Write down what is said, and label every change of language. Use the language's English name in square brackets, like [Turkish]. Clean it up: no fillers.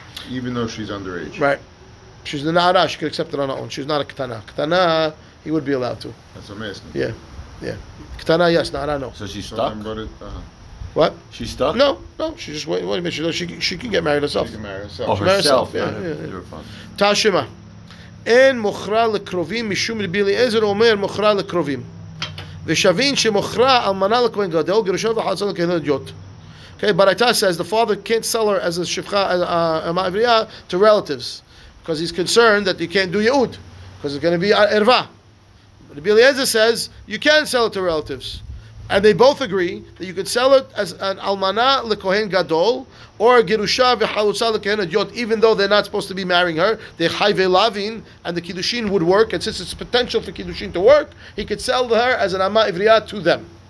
[English] Even though she's underage. Right. She's the Na'ara. She could accept it on her own. She's not a Ketana. Ketana, he would be allowed to. That's amazing. Yeah. Ketana, yes. Na'ara, no. So she's stuck? What? She's stuck? No. She just, what do you mean? She can get married herself. She can marry herself. Herself. [Hebrew] Tashima. אין מוכרה לקרובים משום רבי אליעזר אומר מוכרה לקרובים ושווין שמוכרה אלמנה לכהן גדול גירושין וחלצון לכהן אדיוט. [English] Okay, Baraita says the father can't sell her as a shifcha, as a ma'avriya to relatives because he's concerned that you can't do Yehud because it's going to be erva. Rabbi Eliezer says you can sell it to relatives and they both agree that you can sell it as an almana lekohen gadol or gerusha v'chalutza lekohen adyot, even though they're not supposed to be marrying her, they're chai ve'lavin, and the kiddushin would work, and since it's potential for kiddushin to work, he could sell her as an ama ivriya to them.